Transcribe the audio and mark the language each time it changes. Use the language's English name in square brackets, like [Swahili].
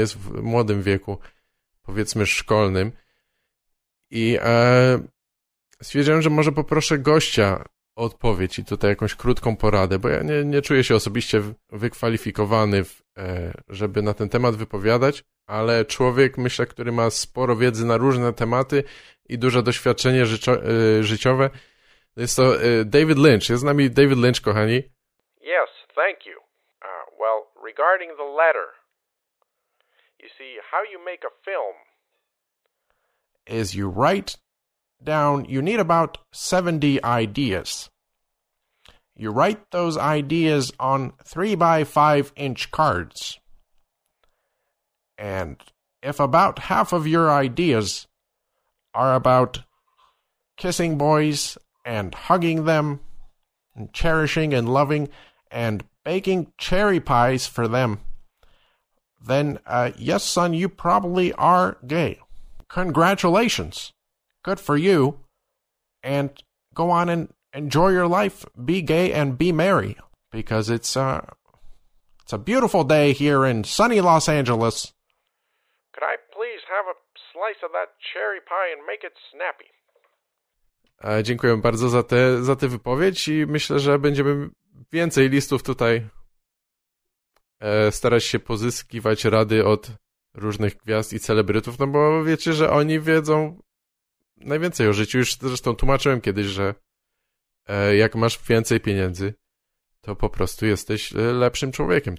[Polish] Jest w młodym wieku, powiedzmy szkolnym. I stwierdziłem, że może poproszę gościa o odpowiedź i tutaj jakąś krótką poradę, bo ja nie czuję się osobiście wykwalifikowany, żeby na ten temat wypowiadać, ale człowiek, myślę, który ma sporo wiedzy na różne tematy i duże doświadczenie życiowe, jest to David Lynch. Jest z nami David Lynch, kochani. [English] Yes, thank you. Well, regarding the letter, you see, how you make a film is you write down, you need about 70 ideas. You write those ideas on 3x5-inch cards. And if about half of your ideas are about kissing boys and hugging them and cherishing and loving and baking cherry pies for them, then yes, son, you probably are gay. Congratulations. Good for you. And go on and enjoy your life. Be gay and be merry. Because it's a beautiful day here in sunny Los Angeles. Could I please have a slice of that cherry pie and make it snappy? [Polish] Dziękuję bardzo za tę wypowiedź i myślę, że będziemy więcej listów tutaj starać się pozyskiwać rady od różnych gwiazd i celebrytów, no bo wiecie, że oni wiedzą najwięcej o życiu. Już zresztą tłumaczyłem kiedyś, że jak masz więcej pieniędzy, to po prostu jesteś lepszym człowiekiem.